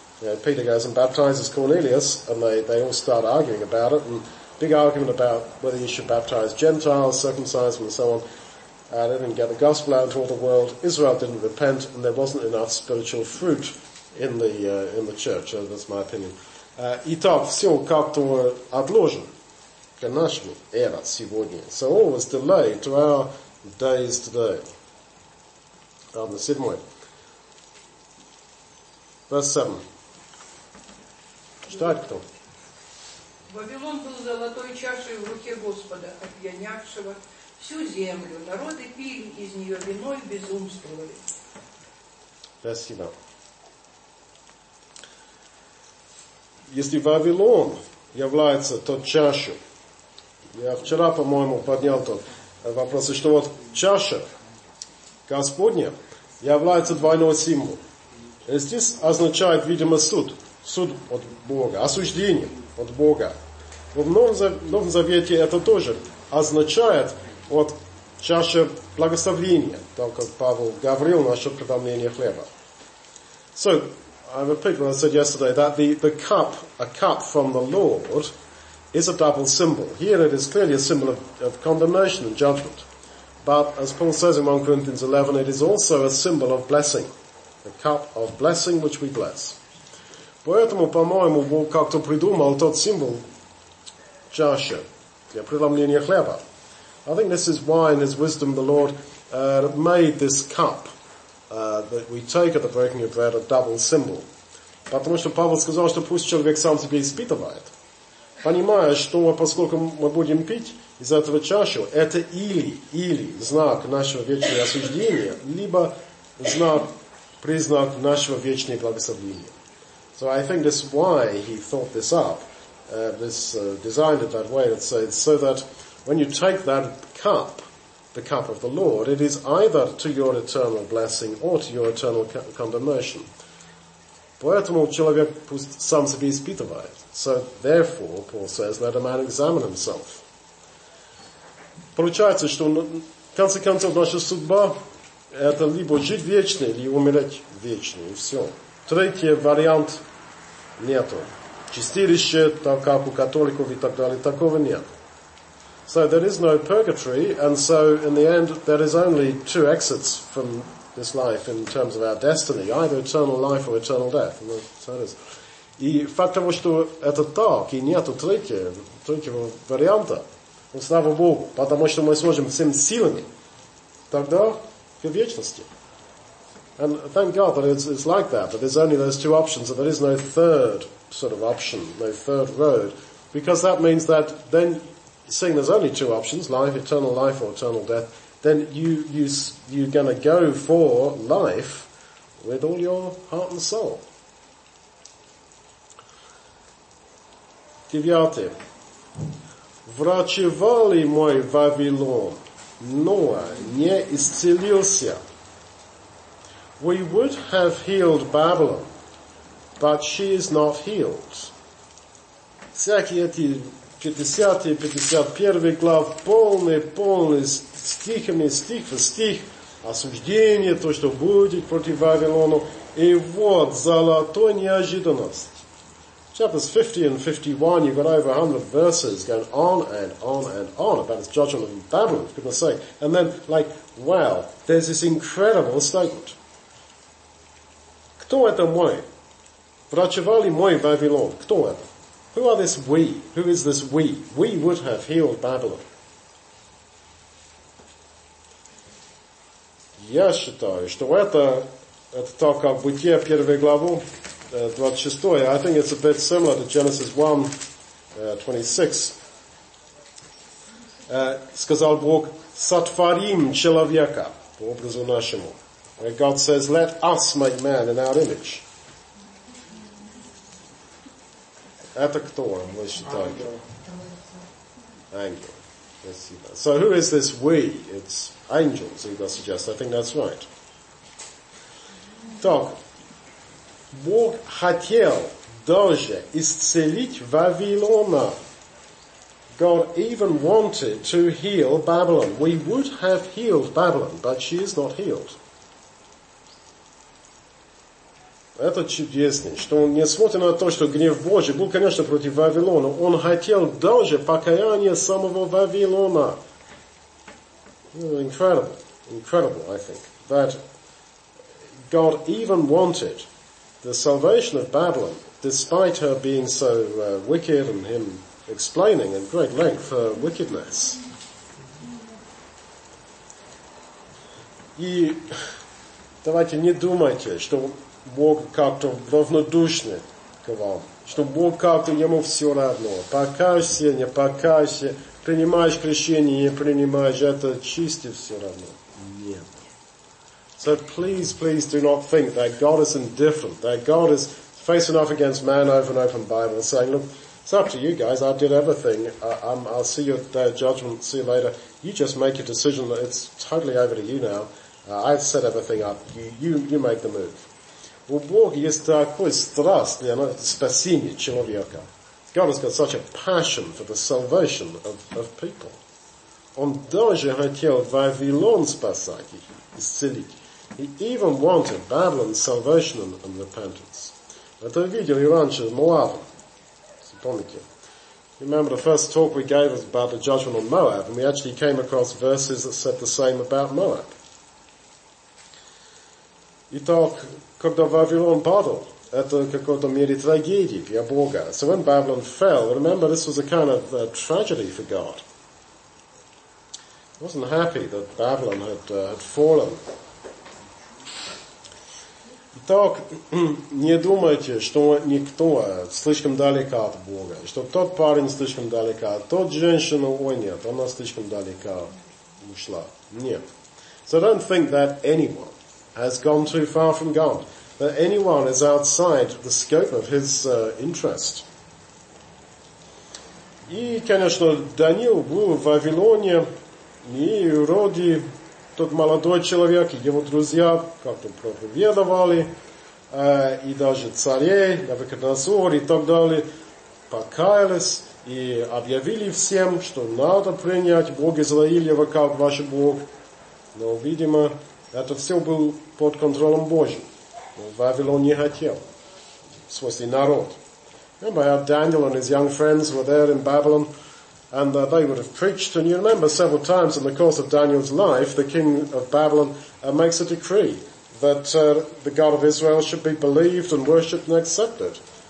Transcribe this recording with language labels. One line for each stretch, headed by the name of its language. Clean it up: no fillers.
English: You know, Peter goes and baptizes Cornelius, and they all start arguing about it, and big argument about whether you should baptize Gentiles, circumcise them, and so on. And they didn't get the gospel out into all the world. Israel didn't repent, and there wasn't enough spiritual fruit in the church. That's my opinion.
Russian: Итак, все как-то отложено. К нашему эра сегодня.
English: So all was delayed to our days today. On the 7th. Verse 7.
Russian: Читает кто? Вавилон был золотой чашей в руке Господа, опьянявшего всю землю. Народы пили из нее вино и безумствовали. Спасибо. Если Вавилон является тот чашей, я вчера, по-моему, поднял тот вопрос, что вот чаша Господня является двойной символ. Здесь означает, видимо, суд. Суд от Бога, осуждение от Бога. Но в Новом Завете это тоже означает вот чаша благословения, так как Павел говорил насчет преломления хлеба.
English: So, I repeat what I said yesterday, that the cup, a cup from the Lord, is a double symbol. Here it is clearly a symbol of condemnation and judgment. But as Paul says in 1 Corinthians 11, it is also a symbol of blessing, a cup of blessing which we bless.
Russian: Поэтому, по-моему, Бог как-то придумал тот символ чаши для преломления хлеба.
English: I think this is why in his wisdom the Lord made this cup that we take at the breaking of bread a double symbol.
Russian: Потому что Павел сказал, что пусть человек сам себя испытывает. Понимая, что поскольку мы будем пить из этого чаши, это или знак нашего вечного осуждения, либо знак, признак нашего вечного благословения.
English: So I think this is why he thought this up, designed it that way, so that when you take that cup, the cup of the Lord, it is either to your eternal blessing or to your eternal condemnation.
Russian: Поэтому человек пусть сам себя испытывает.
English: So therefore, Paul says, let a man examine himself.
Russian: Получается, что в конце концов наша судьба это либо жить вечно, либо умереть вечно, и все. Третий вариант нету. Чистилище, так как у католиков и так далее, такого нет.
English: So there is no purgatory, and so in the end there is only two exits from this life in terms of our destiny, either eternal life or eternal death. And so it is.
Russian: И факт того, что это так, и нету третьего варианта, ну, слава Богу, потому что мы сможем всеми силами тогда к вечности.
English: And thank God that it's like that, that there's only those two options, and there is no third sort of option, no third road, because that means that then, seeing there's only two options, life, eternal life or eternal death, then you're going to go for life with all your heart and soul.
Russian: Девятый. Врачевали мой Вавилон, но не исцелился.
English: We would have healed Babylon, but she is not healed.
Russian: Всякие эти 50-е, 51-й глав, полный стихами, стих в стих, осуждение, то, что будет против Вавилона. И вот золотой неожиданность.
English: Chapters 50 and 51, you've got over 100 verses going on and on and on about his judgment of Babylon, for goodness sake. And then, like, wow, there's this incredible statement.
Russian: Кто это мой? Врачевали мой Вавилон. Кто это?
English: Who are this we?
Russian: Who is this we?
English: We would have healed Babylon.
Russian: Я считаю, что это так как Бытие, первую главу, 26.
English: I think it's a bit similar to Genesis 1, 26.
Russian: Сказал Бог, сотворим человека, по образу нашему.
English: Where God says, let us make man in our image.
Russian: Это кто, мы считаем? Ангел.
English: So who is this we? It's angels, he does suggest. I think that's right.
Russian: Так. Бог хотел даже исцелить Вавилона.
English: God even wanted to heal Babylon. We would have healed Babylon, but she is not healed.
Russian: Это чудесно, что он, несмотря на то, что гнев Божий был, конечно, против Вавилона, он хотел даже покаяния самого Вавилона.
English: Incredible, I think, that God even wanted the salvation of Babylon, despite her being so wicked and him explaining in great length her wickedness.
Russian: И давайте не думайте, что Бог как-то равнодушный к вам, что Бог как-то ему все равно. Покаешься, не покаешься, принимаешь крещение, не принимаешь, это чисто все равно. Нет.
English: So please, please do not think that God is indifferent, that God is facing off against man over an open Bible, saying, look, it's up to you guys, I did everything, I'll see you at their judgment, see you later. You just make a decision, that it's totally over to you now. I've set everything up, you make the move.
Russian: У Бога есть такой страстный спасение человека.
English: God has got such a passion for the salvation of people.
Russian: Он даже хотел Вавилон спасать, исцелить.
English: He even wanted Babylon's salvation and repentance.
Russian: Это видели раньше в Моаве. Помните?
English: Remember the first talk we gave was about the judgment on Moab, and we actually came across verses that said the same about Moab.
Russian: Итак, когда Вавилон падал, это в какой-то мере трагедия для Бога.
English: So when Babylon fell, remember this was a kind of a tragedy for God. He wasn't happy that Babylon had fallen.
Russian: Итак, не думайте, что никто слишком далеко от Бога, что тот парень слишком далеко, тот женщина, ой нет, она слишком далеко ушла. Нет.
English: So don't think that anyone has gone too far from God, that anyone is outside the scope of his interest.
Russian: И, конечно, Даниил был в Вавилоне, и вроде тот молодой человек, его друзья как-то проповедовали, и даже царей, Навуходоносор и так далее, покаялись и объявили всем, что надо принять Бог Израилева как ваш Бог. Но, видимо, это все было под контролем Божьим. Но Вавилон не хотел. В смысле, народ.
English: Remember how Daniel and his young friends were there in Babylon, and they would have preached, and you remember several times in the course of Daniel's life, the king of Babylon makes a decree that the God of Israel should be believed and worshipped and accepted.